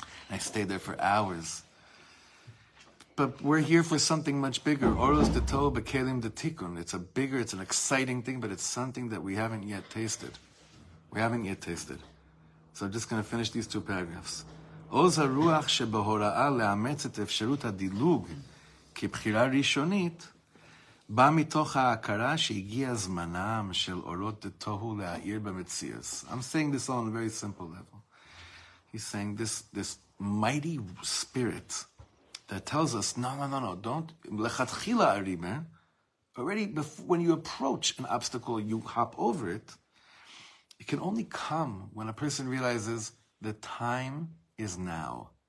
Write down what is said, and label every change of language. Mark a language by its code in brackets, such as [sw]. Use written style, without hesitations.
[en] I stayed there for hours. But we're here for something much bigger. Oros de Tov, Bekelim de Tikkun. It's a bigger, it's an exciting thing, but it's something that we haven't yet tasted. We haven't yet tasted. So I'm just going to finish these two paragraphs. [he] עוז הרוח שבהוראה לאמץ את אפשרות הדילוג כבחירה ראשונית בא מתוך ההכרה שהגיע זמנם של אורות דתוהו להעיר במציאס. [en] I'm saying this all on a very simple level. He's saying this mighty spirit that tells us, no, don't, [he] לכתחילה הרימה, [en] already when you approach an obstacle, you hop over it, it can only come when a person realizes the time is now.